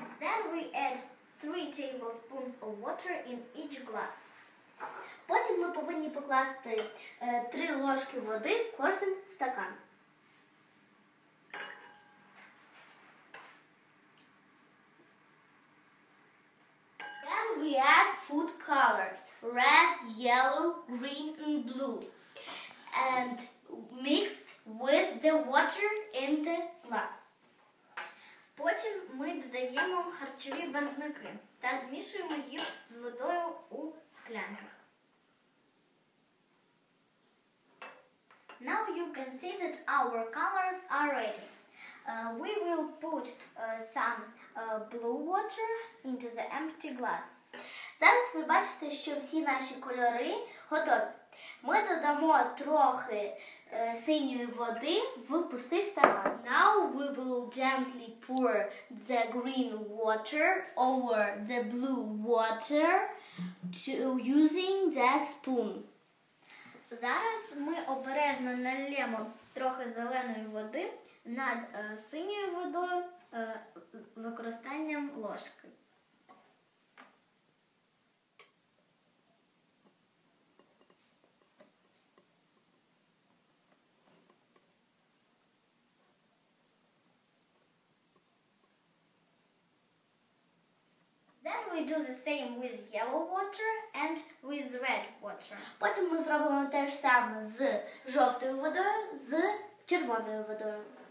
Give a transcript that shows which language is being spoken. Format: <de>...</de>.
<en>Then we add 3 tablespoons of water in each glass.</en> <uk>Потім ми повинні покласти 3 ложки води в кожен стакан.</uk> <en>We add food colors, red, yellow, green and blue, and mixed with the water in the glass.</en> <uk>Потім ми додаємо харчові барвники та змішуємо їх з водою у склянках.</uk> <en>Now you can see that our colors are ready. We will put some blue water into the empty glass.</en> <uk>Зараз ви бачите, що всі наші кольори готові. Ми додамо трохи синьої води в пустий стакан.</uk> <en>Now we will gently pour the green water over the blue water using the spoon.</en> <uk>Зараз ми обережно нальємо трохи зеленої води над синьою водою з використанням ложки.</uk> <en>Then we do the same with yellow water and with red water.</en> <uk>Потім ми зробимо те ж саме з жовтою водою, з червоною водою.</uk>